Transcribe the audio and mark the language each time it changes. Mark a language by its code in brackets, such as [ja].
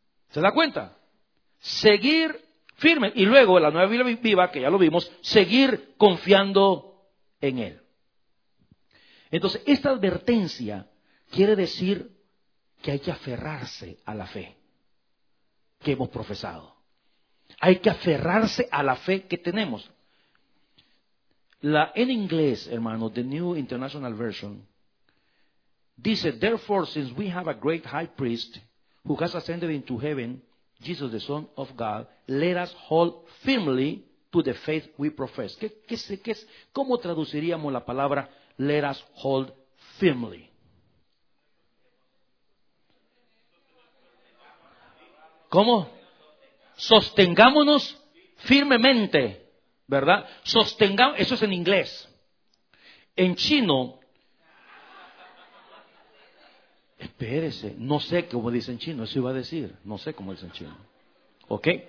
[es] ¿Se da cuenta? Seguir firmes. Y luego, la Nueva Biblia Viva, que ya lo vimos, seguir confiando en Él. Entonces, esta advertencia quiere decir que hay que aferrarse a la fe que hemos profesado. Hay que aferrarse a la fe que tenemos. En inglés, hermano, [en] The New International Version, dice, therefore, since we have a great high priest who has ascended into heaven, Jesus, the Son of God, let us hold firmly to the faith we profess. [es] ¿Cómo traduciríamos la palabra [en] let us hold firmly? [es] ¿Cómo? Sostengámonos firmemente, ¿verdad? Eso es en inglés. En chino, espérese, no sé cómo dicen en chino, eso iba a decir, no sé cómo dicen en chino. ¿Ok?